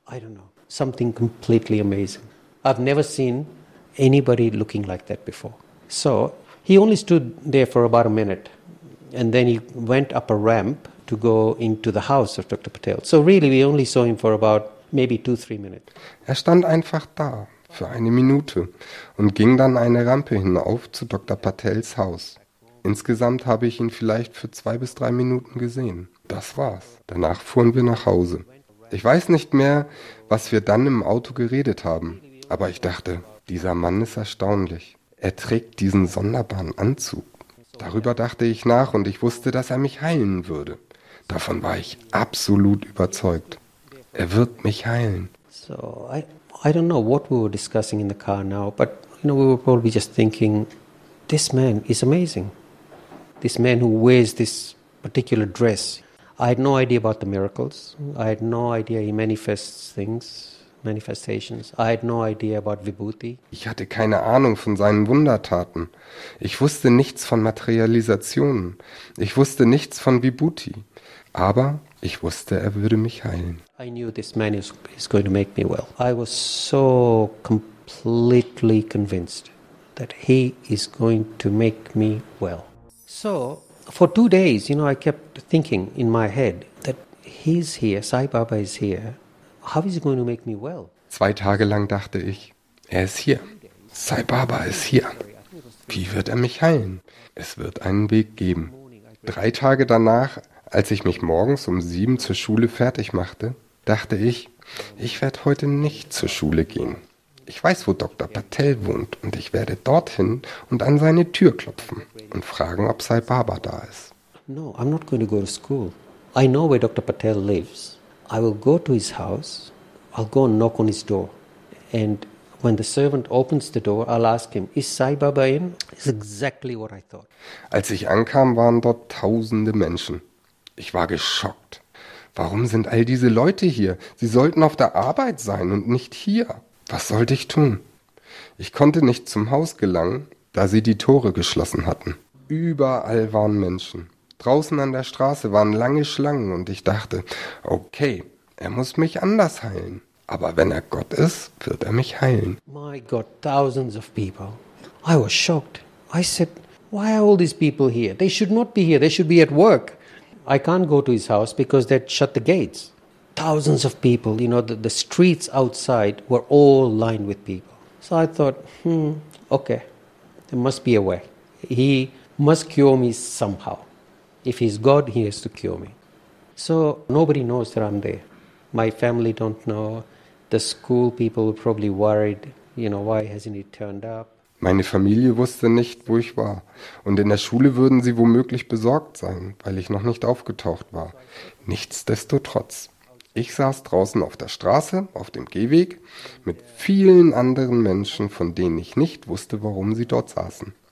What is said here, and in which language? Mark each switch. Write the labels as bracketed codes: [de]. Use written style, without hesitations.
[en] I don't know. Something completely amazing. I've never seen anybody looking like that before. So he only stood there for about a minute and then he went up a ramp to go into the house of Dr. Patel. So really we only saw him for about maybe 2-3 minutes. [de] Er stand einfach da für eine Minute und ging dann eine Rampe hinauf zu Dr. Patels Haus. Insgesamt habe ich ihn vielleicht für 2 bis 3 Minuten gesehen. Das war's. Danach fuhren wir nach Hause. Ich weiß nicht mehr, was wir dann im Auto geredet haben, aber ich dachte, dieser Mann ist erstaunlich. Er trägt diesen sonderbaren Anzug. Darüber dachte ich nach und ich wusste, dass er mich heilen würde. Davon war ich absolut überzeugt. Er wird mich heilen. [en] So, I don't know what we were discussing in the car now, but you know, we were probably just thinking, this man is amazing. This man who wears this particular dress. I had no idea about the miracles. I had no idea he manifests things, manifestations. I had no idea about Vibhuti. [de] Ich hatte keine Ahnung von seinen Wundertaten. Ich wusste nichts von Materialisationen. Ich wusste nichts von Vibhuti. Aber ich wusste, er würde mich heilen. [en] I knew this man is going to make me well. I was so completely convinced that he is going to make me well. So, for 2 days, you know, I kept thinking in my head that he's here, Sai Baba is here. How is he going to make me well? [de] 2 Tage lang dachte ich, er ist hier. Sai Baba ist hier. Wie wird er mich heilen? Es wird einen Weg geben. 3 Tage danach, als ich mich morgens um 7 zur Schule fertig machte, dachte ich, ich werde heute nicht zur Schule gehen. Ich weiß, wo Dr. Patel wohnt und ich werde dorthin und an seine Tür klopfen und fragen, ob Sai Baba da ist. [en] No, I'm not going to go to school. I know where Dr. Patel lives. I will go to his house. I'll go and knock on his door. And when the servant opens the door, I'll ask him, is Sai Baba in? It's exactly what I thought. [de] Als ich ankam, waren dort tausende Menschen. Ich war geschockt. Warum sind all diese Leute hier? Sie sollten auf der Arbeit sein und nicht hier. Was sollte ich tun? Ich konnte nicht zum Haus gelangen, da sie die Tore geschlossen hatten. Überall waren Menschen. Draußen an der Straße waren lange Schlangen und ich dachte, okay, er muss mich anders heilen. Aber wenn er Gott ist, wird er mich heilen. [en] My God, thousands of people. I was shocked. I said, why are all these people here? They should not be here. They should be at work. I can't go to his house because they'd shut the gates. Thousands of people, you know, the streets outside were all lined with people. So I thought, okay, there must be a way. He must cure me somehow. If he's God, he has to cure me. So nobody knows that I'm there. My family don't know. The school people were probably worried, you know, why hasn't he turned up? [de] Meine Familie wusste nicht, wo ich war. Und in der Schule würden sie womöglich besorgt sein, weil ich noch nicht aufgetaucht war. Nichtsdestotrotz. Ich saß draußen auf der Straße, auf dem Gehweg, mit vielen anderen Menschen, von denen ich nicht wusste, warum sie dort saßen.